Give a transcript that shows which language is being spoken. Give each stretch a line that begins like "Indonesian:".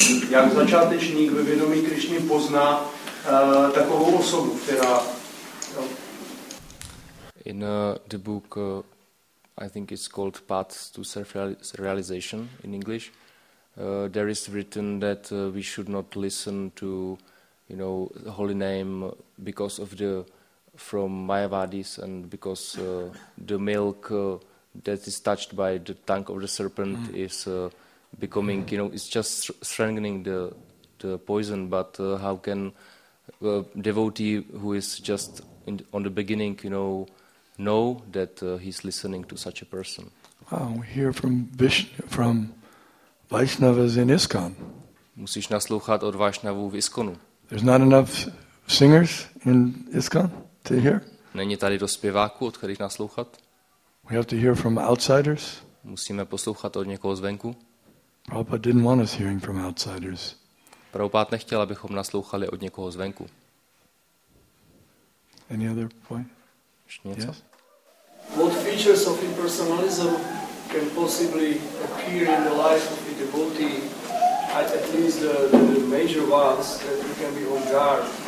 Czech: Jak začátečník ve vědomí Krišny pozná takovou osobu, která...
English: In the book, I think it's called Path to Self-Realization in English, there is written that we should not listen to, you know, the holy name because of the from Mayavadis and because the milk that is touched by the tongue of the serpent is becoming, you know, it's just strengthening the poison. But how can a devotee who is just on the beginning, you know that he's listening to such a person? Wow, we hear from from Vaishnavas in ISKCON.
Czech: Musíš naslouchat od Vaishnavů v ISKCONu.
English: There's not enough singers in ISKCON to hear.
Czech: Není tady dost zpěváků, od kterých naslouchat.
English: We have to hear from outsiders.
Czech: Musíme poslouchat od někoho zvenku.
English: Prabhupada didn't want us hearing from outsiders.
Czech: Prabhupada nechtěl, abychom naslouchali od někoho zvenku.
English: Any other point?
Czech: Ještě něco?
English: Yes? What features of impersonalism can possibly appear in the life of the devotee, at least the major ones that we can be on guard?